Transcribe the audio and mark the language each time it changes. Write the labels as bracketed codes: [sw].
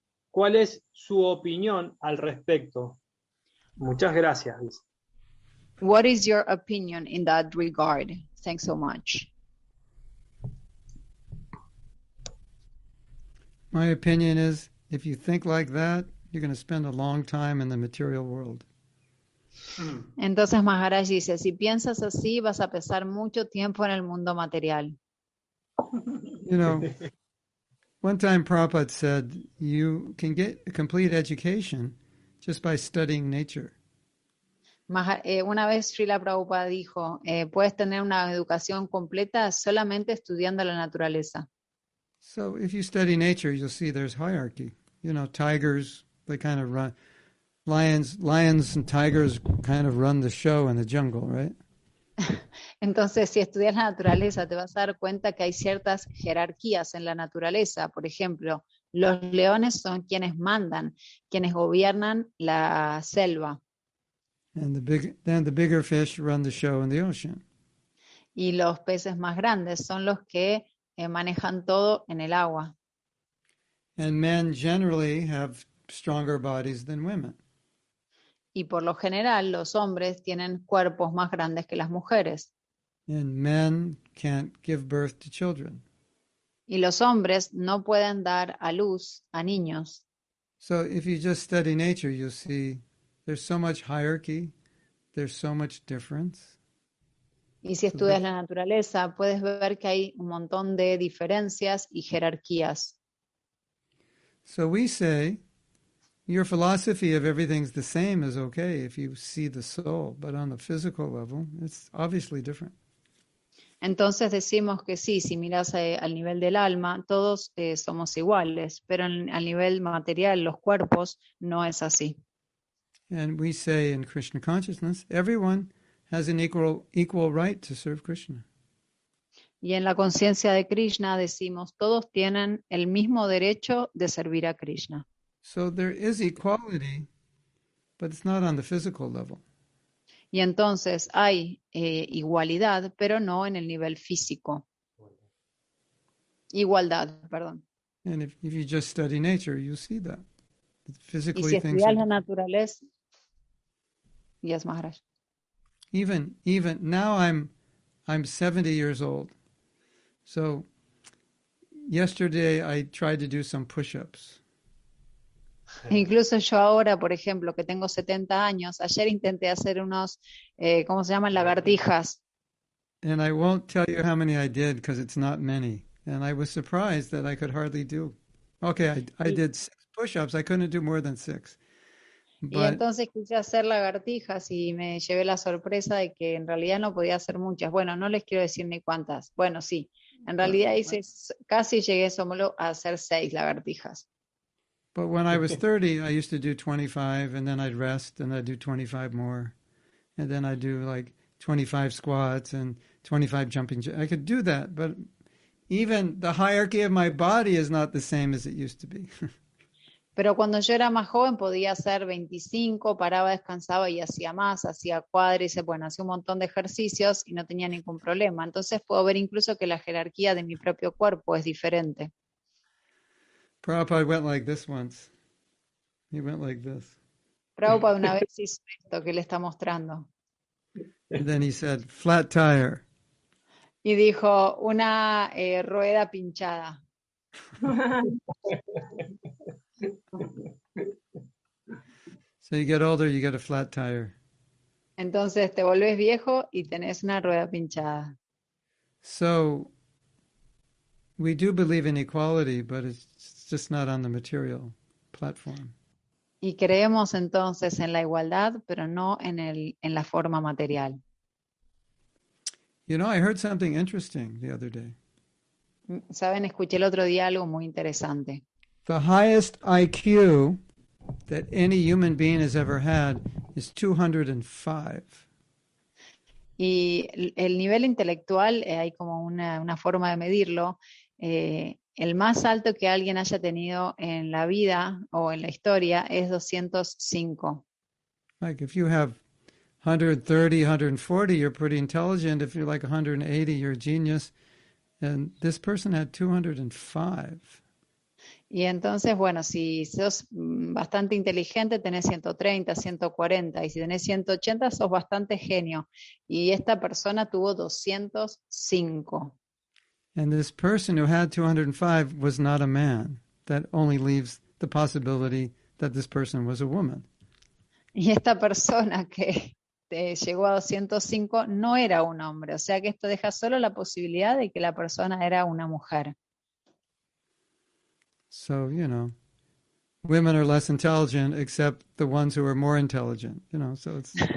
[es] ¿Cuál es su opinión al respecto? Muchas gracias. [en] What is your opinion in that regard? Thanks so much. My opinion is, if you think like that, you're going to spend a long time in the material world. [es] Entonces Maharaj dice, si piensas así, vas a pasar mucho tiempo en el mundo material. [en] You know, one time Prabhupada said, you can get a complete education just by studying nature. [es] Una vez Srila Prabhupada dijo, puedes tener una educación completa solamente estudiando la naturaleza. [en] So if you study nature, you'll see there's hierarchy. You know, tigers, they kind of run. Lions and tigers kind of run the show in the jungle, right? [es] Entonces, si estudias la naturaleza, te vas a dar cuenta que hay ciertas jerarquías en la naturaleza. Por ejemplo, los leones son quienes mandan, quienes gobiernan la selva. [en] And the bigger fish run the show in the ocean. [es] Y los peces más grandes son los que manejan todo en el agua. [en] And men generally have stronger bodies than women. [es] Y por lo general, los hombres tienen cuerpos más grandes que las mujeres. [en] And men can't give birth to children. [es] Y los hombres no pueden dar a luz a niños. [en] So if you just study nature, you see there's so much hierarchy, there's so much difference. [es] Y si estudias la naturaleza, puedes ver que hay un montón de diferencias y jerarquías. [en] So we say, your philosophy of everything's the same is okay if you see the soul, but on the physical level, it's obviously different. [es] Entonces decimos que sí, si miras al nivel del alma, todos somos iguales, pero al nivel material, los cuerpos, no es así. [en] And we say in Krishna consciousness, everyone has an equal right to serve Krishna. [es] Y en la conciencia de Krishna decimos, todos tienen el mismo derecho de servir a Krishna. [en] So there is equality, but it's not on the physical level. [es] Y entonces hay igualdad, pero no en el nivel físico. Igualdad, perdón. [en] And if you just study nature, you see that. Physically, [es] y si estudias la naturaleza, [en] yes, [es] Maharaj. [en] Even now I'm 70 years old. So yesterday I tried to do some push-ups. [es] Incluso yo ahora, por ejemplo, que tengo 70 años, ayer intenté hacer unos, ¿cómo se llaman? Lagartijas. [en] And I won't tell you how many I did because it's not many. And I was surprised that I could hardly do. Okay, I did 6 push-ups. I couldn't do more than 6. [es] Y entonces quise hacer lagartijas y me llevé la sorpresa de que en realidad no podía hacer muchas. Bueno, no les quiero decir ni cuántas. Bueno, sí. En realidad hice, casi llegué solo a hacer 6 lagartijas. [en] But when I was 30, I used to do 25, and then I'd rest, and I'd do 25 more. And then I'd do like 25 squats and 25 jumping jacks. I could do that, but even the hierarchy of my body is not the same as it used to be. [es] Pero cuando yo era más joven, podía hacer 25, paraba, descansaba y hacía más, hacía cuádriceps, bueno, hacía un montón de ejercicios y no tenía ningún problema. Entonces puedo ver incluso que la jerarquía de mi propio cuerpo es diferente. [en] Prabhupada went like this once. He went like this. [es] Prabhupada una vez hizo esto que le está mostrando. [en] And then he said, flat tire. [es] Y dijo, una rueda pinchada. [en] So you get older, you get a flat tire. [es] Entonces te volvés viejo y tenés una rueda pinchada. [en] So we do believe in equality, but it's just not on the material platform. [es] Y creemos entonces en la igualdad, pero no en en la forma material. [en] You know, I heard something interesting the other day. [es] Saben, escuché el otro día algo muy interesante. [en] The highest IQ that any human being has ever had is 205. [es] Y el nivel intelectual, hay como una forma de medirlo, el más alto que alguien haya tenido en la vida o en la historia es 205. [en] Like if you have 130, 140, you're pretty intelligent. If you're like 180, you're a genius. And this person had 205. [es] Y entonces, bueno, si sos bastante inteligente, tenés 130, 140. Y si tenés 180, sos bastante genio. Y esta persona tuvo 205. [en] And this person who had 205 was not a man. That only leaves the possibility that this person was a woman. [es] Y esta persona que llegó a 205 no era un hombre, o sea que esto deja solo la posibilidad de que la persona era una mujer. [en] So, you know, women are less intelligent except the ones who are more intelligent, you know, so it's